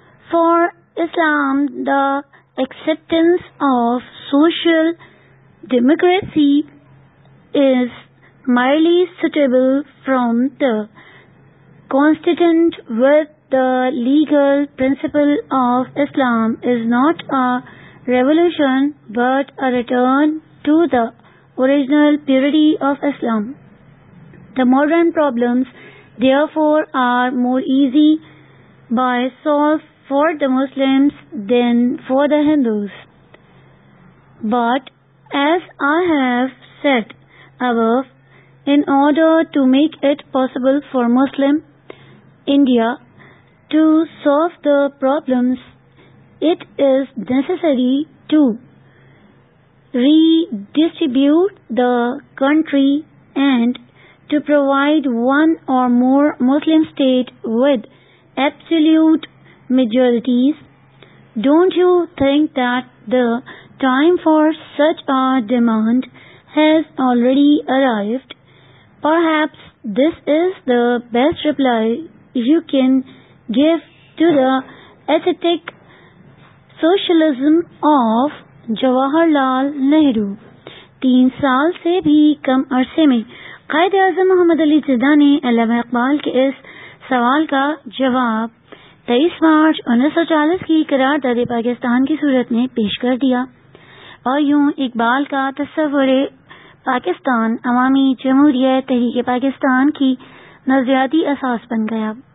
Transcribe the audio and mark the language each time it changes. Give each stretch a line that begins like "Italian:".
English: For Islam the acceptance of social democracy is merely suitable from the constituent worth The legal principle of Islam is not a revolution but a return to the original purity of Islam. The modern problems therefore are more easy by solve for the Muslims than for the Hindus. But as I have said above, in order to make it possible for Muslim India To solve the problems, it is necessary to redistribute the country and to provide one or more Muslim state with absolute majorities. Don't you think that the time for such a demand has already arrived? Perhaps this is the best reply you can give to the ascetic socialism of Jawaharlal Nehru.
Urdu: 3 سال سے بھی کم عرصے میں قائد اعظم محمد علی جناح نے علامہ اقبال کے اس سوال کا جواب 23 مارچ 1940 کی قرار دادے پاکستان کی صورت میں پیش کر دیا، اور یوں اقبال کا تصور پاکستان عوامی جمہوریہ تحریک پاکستان کی نظریاتی اساس بن گیا۔